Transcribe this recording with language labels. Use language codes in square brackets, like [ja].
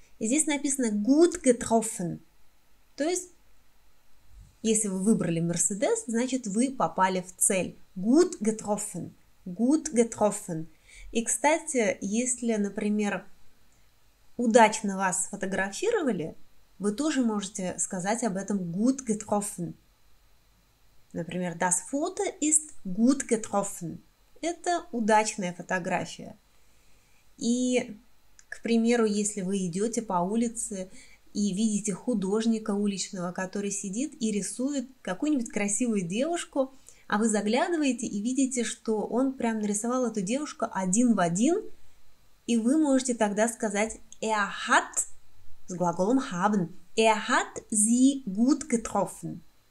[ru] И здесь написано [de] «gut getroffen», [ru] то есть, если вы выбрали Мерседес, значит, вы попали в цель. [de] «Gut getroffen», «gut getroffen». [ru] И, кстати, если, например, удачно вас сфотографировали, вы тоже можете сказать об этом [de] «gut getroffen». [ru] Например, [de] «das Foto ist gut getroffen». [ru] Это удачная фотография. И, к примеру, если вы идете по улице и видите художника уличного, который сидит и рисует какую-нибудь красивую девушку, а вы заглядываете и видите, что он прям нарисовал эту девушку один в один, и вы можете тогда сказать [de] «er hat» [ru] с глаголом «haben», [de] «er hat sie gut getroffen».